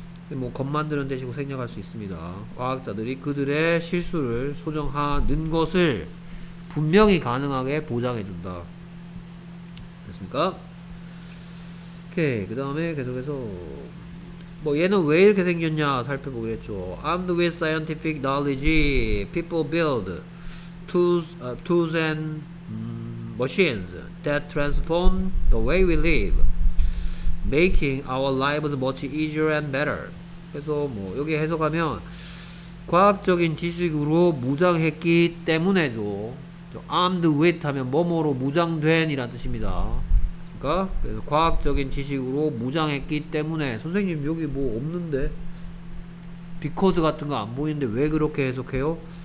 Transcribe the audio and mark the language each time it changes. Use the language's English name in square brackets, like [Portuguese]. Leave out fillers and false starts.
[Korean] 뭐 겉만드는 대시고 생략할 수 있습니다. 과학자들이 그들의 실수를 소정하는 것을 분명히 가능하게 보장해준다. 됐습니까? 오케이, 그 다음에 계속해서 뭐 얘는 왜 이렇게 생겼냐 살펴보겠죠. [English] Armed with scientific knowledge, people build tools and machines that transform the way we live, making our lives much easier and better. [Korean] 그래서 뭐 여기 해석하면 과학적인 지식으로 무장했기 때문에죠. Armed with 하면 뭐뭐로 무장된 이란 뜻입니다. 그러니까 그래서 과학적인 지식으로 무장했기 때문에, 선생님 여기 뭐 없는데 because 같은 거 안 보이는데 왜 그렇게 해석해요?